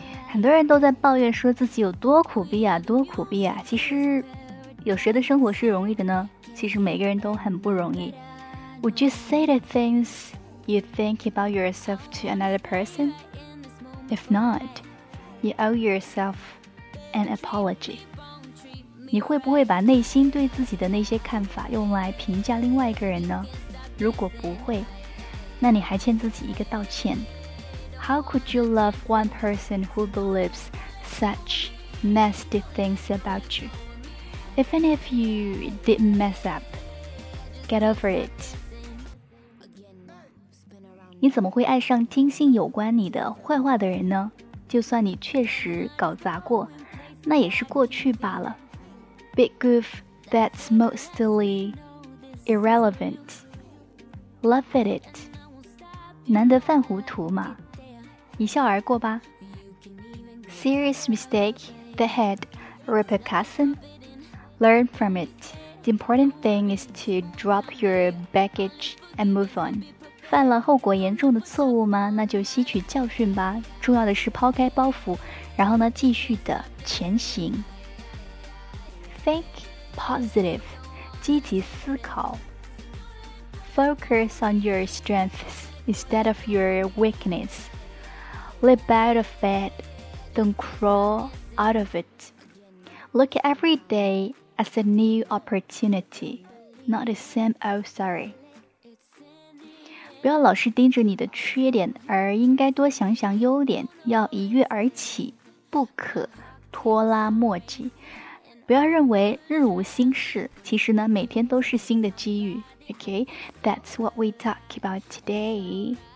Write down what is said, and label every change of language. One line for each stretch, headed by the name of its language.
Chinese: 很多人都在抱怨说自己有多苦逼啊，多苦逼啊。其实，有谁的生活是容易的呢？其实每个人都很不容易。
English: Would you say the things you think about yourself to another person? If not,You owe yourself an apology.
Chinese: 你会不会把内心对自己的那些看法用来评价另外一个人呢？如果不会，那你还欠自己一个道歉。
English: How could you love one person who believes such nasty things about you? Even if you did mess up, get over it.
Chinese: 你怎么会爱上听信有关你的坏话的人呢？就算你确实搞砸过，那也是过去罢了。
English: Big goof that's mostly irrelevant. Laugh at it.
Chinese: 难得犯糊涂嘛，一笑而过吧。
English: Serious mistake that had repercussion. Learn from it. The important thing is to drop your baggage and move on.
Chinese: 犯了后果严重的错误吗？那就吸取教训吧。重要的是抛开包袱，然后呢，继续的前行。
English: Think positive,
Chinese: 积极思考。
English: Focus on your strengths instead of your weakness. Leap out of it, don't crawl out of it. Look at every day as a new opportunity, not the same old story.
Chinese: 不要老是盯着你的缺点，而应该多想想优点，要一跃而起，不可拖拉磨叽。不要认为日无新事，其实呢，每天都是新的机遇。
English: Okay, that's what we talk about today.